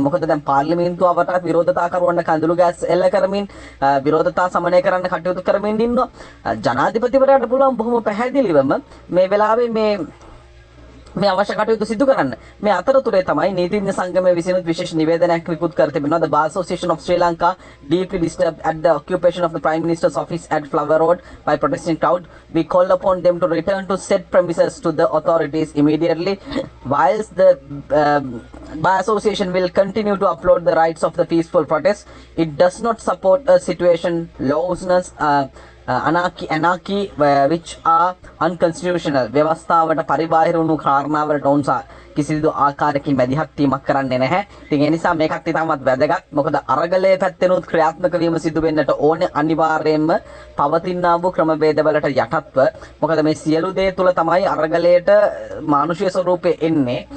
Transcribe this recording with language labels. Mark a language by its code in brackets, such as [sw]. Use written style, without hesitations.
[si] මොකද දැන් පාර්ලිමේන්තුවට විරෝධතා කරවන්න කඳුළු ගෑස් එල්ල කරමින් විරෝධතා සමනය කරන්න කටයුතු කරමින් ඉන්නවා. ජනාධිපතිවරයාට පුළුවන් බොහොම පැහැදිලිවම මේ වෙලාවේ මේ අවශ්‍ය කටයුතු සිදු කරන්න. මේ අතරතුරේ තමයි නීතිඥ සංගමයේ විසින් විශේෂ නිවේදනයක් නිකුත් කර තිබෙනවා. [en] The Bar Association of Sri Lanka deeply disturbed at the occupation of the Prime Minister's office at Flower Road by protesting crowd. We call upon them to return to said premises to the authorities immediately. Whilst the Bar Association will continue to uphold the rights of the peaceful protest, it does not support a situation lawlessness anarchy which are unconstitutional. [si] ව්‍යවස්ථාවට පරිබාහිර වුණු කාරණාවලට ඔවුන් කිසිදු ආකාරයකින් මැදිහත් වීමක් කරන්නේ නැහැ. ඉතින් ඒ නිසා මේකක් ඉතාමත් වැදගත්. මොකද අරගලයේ පැත්තෙනුත් ක්‍රියාත්මක වීම සිදු වෙන්නට ඕනේ අනිවාර්යයෙන්ම පවතිනා වූ ක්‍රමවේදවලට යටත්ව. මොකද මේ සියලු දේ තුළ තමයි අරගලයට මානුෂීය ස්වරූපේ එන්නේ.